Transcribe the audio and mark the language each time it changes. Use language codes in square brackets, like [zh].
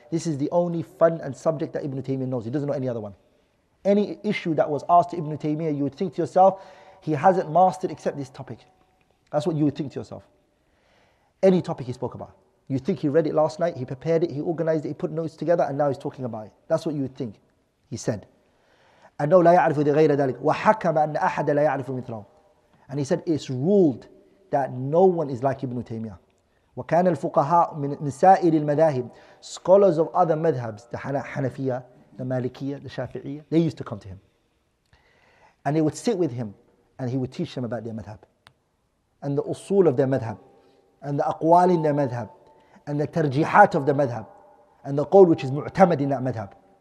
[en] This is the only fun and subject that Ibn Taymiyyah knows. He doesn't know any other one. Any issue that was asked to Ibn Taymiyyah, you would think to yourself, he hasn't mastered except this topic. That's what you would think to yourself. Any topic he spoke about, you think he read it last night, he prepared it, he organized it, he put notes together, and now he's talking about it. That's what you would think. He said, [ar] "أنه لا يعرف غير ذلك." وحكم أن أحد لا يعرف مثله. [en] And he said, "It's ruled that no one is like Ibn Taymiyyah." [ar] وكان الفقهاء من سائر المذاهب, [en] scholars of other madhabs, the Hanafiya, the Malikiya, the Shafi'iya, they used to come to him, and they would sit with him, and he would teach them about their madhab, and the usul of their madhab, and the aqwal in their madhab, and the tarjihat of the madhab, and the qawl which is mu'tamad in that madhab.